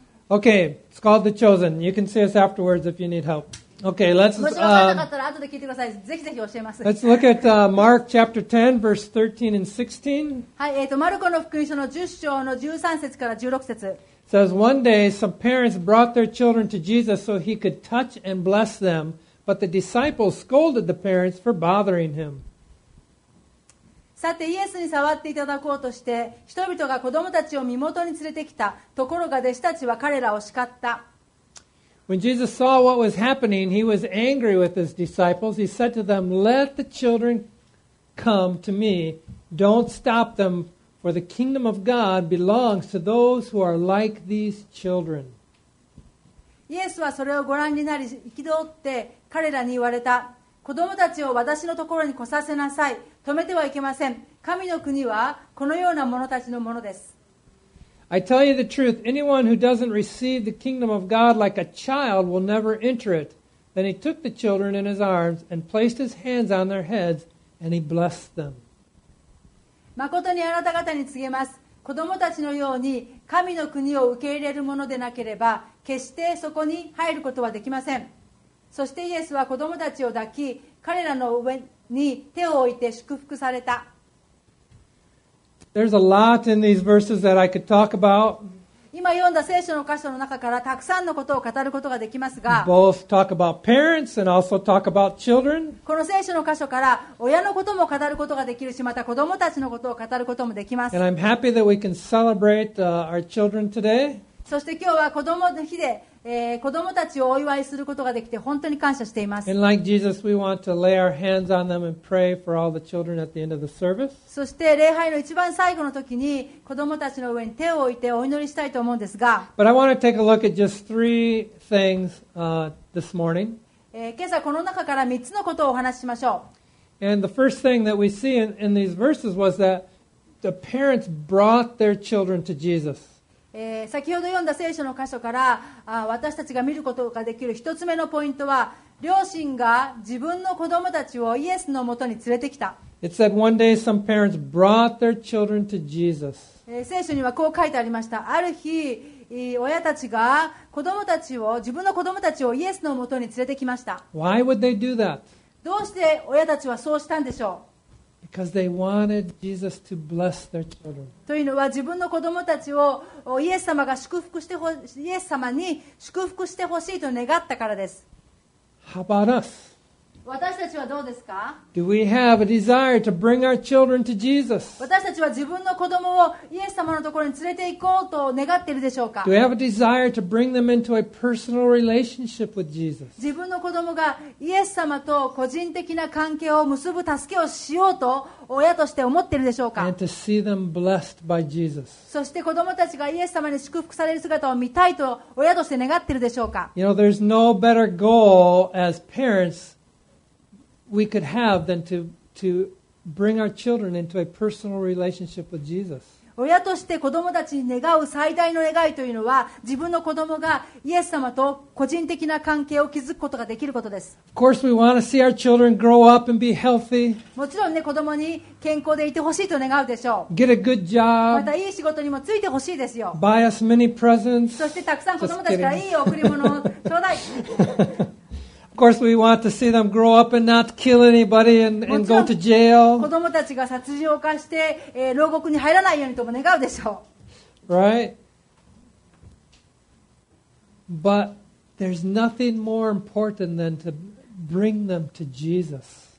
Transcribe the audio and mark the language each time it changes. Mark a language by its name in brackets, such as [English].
[English] Okay, it's called The Chosen. You can see us afterwards if you need help. Okay, let's look at Mark chapter 10, verse 13 and 16. [Japanese] マルコの福音書の10章の13節から16節。 [English] It says, one day some parents brought their children to Jesus so he could touch and bless them, but the disciples scolded the parents for bothering him. [Japanese] さてイエスに触っていただこうとして人々が子供たちを身元に連れてきた。ところが弟子たちは彼らを叱った。 [English] When Jesus saw what was happening, he was angry with his disciples. He said to them, let the children come to me. Don't stop them, for the kingdom of God belongs to those who are like these children. [Japanese] イエスはそれをご覧になり、憤って彼らに言われた。子供たちを私のところに来させなさい。止めてはいけません。神の国はこのような者たちのものです。 [English] I tell you the truth, anyone who doesn't receive the kingdom of God like a child will never enter it. Then he took the children in his arms and placed his hands on their heads and he blessed them. [Japanese] 誠にあなた方に告げます。子供たちのように神の国を受け入れるものでなければ、決してそこに入ることはできません。そしてイエスは子供たちを抱き、彼らの上に手を置いて祝福された。 [English] There's a lot in these verses that I could talk about. [Japanese] 今読んだ聖書の箇所の中からたくさんのことを語ることができますが、 [English] Both talk about parents and also talk about children. [Japanese] この聖書の箇所から親のことも語ることができるし、また子供たちのことを語ることもできます。 [English] And I'm happy that we can celebrate our children today. [Japanese] そして今日は子供の日で、子供たちをお祝いすることができて本当に感謝しています。 [English] And like Jesus, we want to lay our hands on them and pray for all the children at the end of the service. [Japanese] そして礼拝の一番最後の時に子供たちの上に手を置いてお祈りしたいと思うんですが。 [English] But I want to take a look at just three things this morning. [Japanese] 今朝この中から3つのことをお話ししましょう。 [English] And the first thing that we see in these verses was that the parents brought their children to Jesus. [Japanese] 先ほど読んだ聖書の箇所から私たちが見ることができる一つ目のポイントは両親が自分の子供たちをイエスのもとに連れてきた。 [English] It said one day some parents brought their children to Jesus. [Japanese] 聖書にはこう書いてありました。ある日親たちが子供たちを自分の子供たちをイエスのもとに連れてきました。 [English] Why would they do that? [Japanese] どうして親たちはそうしたんでしょう。 [English] Because they wanted Jesus to bless their children. [Japanese] というのは自分の子供たちをイエス様が祝福してほイエス様に祝福してほしいと願ったからです。 [English] How about us? [Japanese] 私たちはどうですか? [English] Do we have a desire to bring our children to Jesus? [Japanese] 私たちは自分の子供をイエス様のところに連れて行こうと願っているでしょうか? [English] Do we have a desire to bring them into a personal relationship with Jesus? [Japanese] 自分の子供がイエス様と個人的な関係を結ぶ助けをしようと親として思っているでしょうか? [English] And to see them blessed by Jesus. [Japanese] そして子供たちがイエス様に祝福される姿を見たいと親として願っているでしょうか? [English] You know, there's no better goal as parents. We could have than to bring our children into a personal relationship with Jesus. [Japanese] 親として子供たちに願う最大の願いというのは、自分の子供がイエス様と個人的な関係を築くことができることです。 [English] Of course, we want to see our children grow up and be healthy. [Japanese] もちろんね、子供に健康でいてほしいと願うでしょう。 [English] Get a good job. [Japanese] またいい仕事にもついてほしいですよ。 [English] Buy us many presents. [Japanese] そしてたくさん子供たちからいい贈り物をちょうだい。 [English] Of course, we want to see them grow up and not kill anybody and go to jail. [Japanese] 子供たちが殺人を犯して、牢獄に入らないようにとも願うでしょう。 [English] Right? But there's nothing more important than to bring them to Jesus.